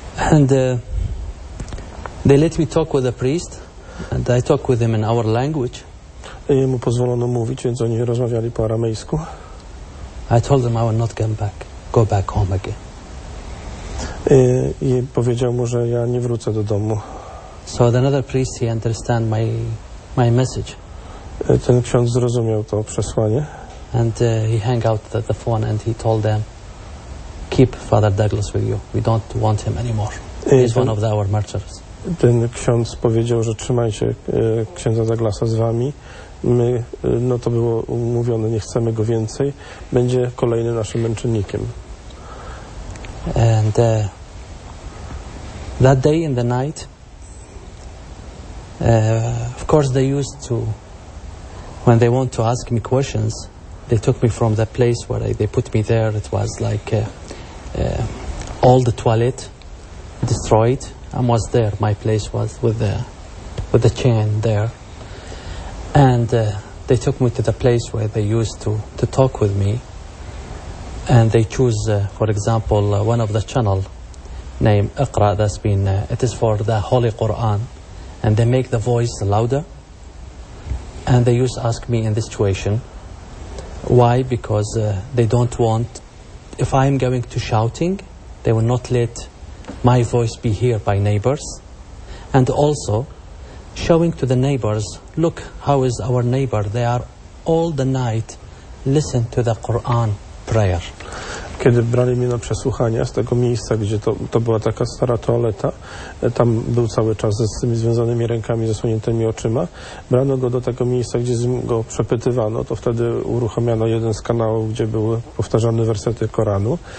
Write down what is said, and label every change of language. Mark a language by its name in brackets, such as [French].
[English] And they let me talk with the priest, and I talk with him in our language. [Polish] I jemu pozwolono mówić, więc oni rozmawiali po aramejsku. [English] I told them I will not come back, go back home again. [Polish] I powiedział mu, że ja nie wrócę do domu. [English] So another priest, he understand my message. [Polish] Ten ksiądz zrozumiał to przesłanie. [English] And he hang out the phone and he told them, keep Father Douglas with you. We don't want him anymore. He's one of our martyrs. [Polish] Ten ksiądz powiedział, że trzymajcie księdza Douglasa z wami. My, no to było umówione, nie chcemy go więcej. Będzie kolejnym naszym męczennikiem. [English] And that day in the night, of course they used to, when they want to ask me questions, they took me from the place where they put me there. It was like all the toilet destroyed. I was there, my place was with the chain there. And they took me to the place where they used to talk with me. And they choose, for example, one of the channel name Iqra, that's been, it is for the Holy Quran. And they make the voice louder. And they used to ask me in this situation. Why? Because they don't want, if I'm going to shouting, they will not let my voice be heard by neighbors. And also, showing to the neighbors, look how is our neighbor. They are all the night listen to the Quran. [Polish] Kiedy brali mnie na przesłuchania z tego miejsca, gdzie to była taka stara toaleta, tam był cały czas z tymi związanymi rękami, zasłoniętymi oczyma, brano go do tego miejsca, gdzie go przepytywano, to wtedy uruchamiano jeden z kanałów, gdzie były powtarzane wersety Koranu.